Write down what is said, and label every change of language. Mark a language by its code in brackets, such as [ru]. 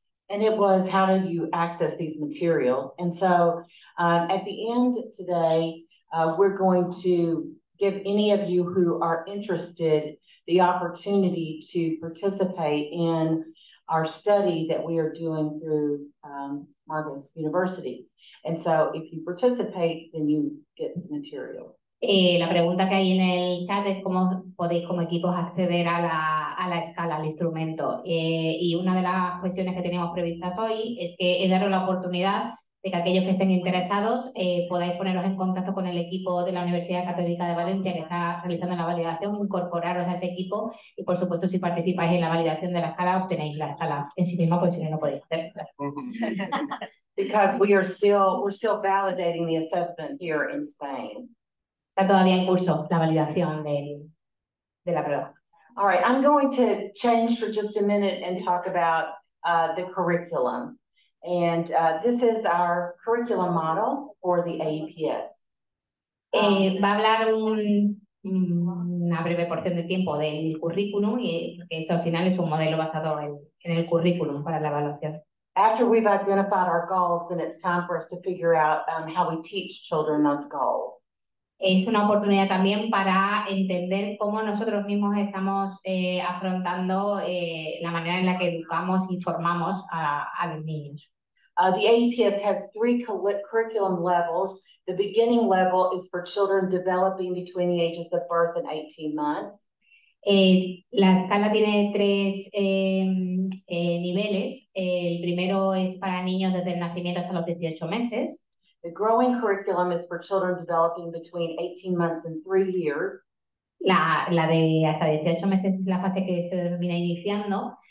[en] And it was, how do you access these materials? And so at the end today, we're going to give any of you who are interested the opportunity to participate in our study that we are doing through Marcus University. And so if you participate, then you get the material. [es] La pregunta que hay en el chat es cómo podéis como equipos acceder a la escala, al instrumento. Y una de las cuestiones que tenemos previstas hoy es que es daros la oportunidad de que aquellos que estén interesados podáis poneros en contacto con el equipo de la Universidad Católica de Valencia que está realizando la validación, incorporaros a ese equipo y, por supuesto, si participáis en la validación de la escala, obtenéis la escala en sí misma, pues si no, no podéis hacerlo. [en] Because we're still validating the assessment here in Spain. [es] Está todavía en curso la validación de la prueba. [en] All right, I'm going to change for just a minute and talk about the curriculum. And this is our curriculum model for the AEPS. [es] Va a hablar un una breve porción de tiempo del currículum, y porque eso al final es un modelo basado en el currículum para la evaluación. [en] After we've identified our goals, then it's time for us to figure out how we teach children those goals. [es] Es una oportunidad también para entender cómo nosotros mismos estamos afrontando la manera en la que educamos y formamos a los niños. [en] The AEPS has three curriculum levels. The beginning level is for children developing between the ages of birth and 18 months. [es] La escala tiene tres niveles. El primero es para niños desde el nacimiento hasta los 18 meses. [en] The growing curriculum is for children developing between 18 months and 3 years. [es] La de hasta 18 meses es la fase que se denomina iniciando.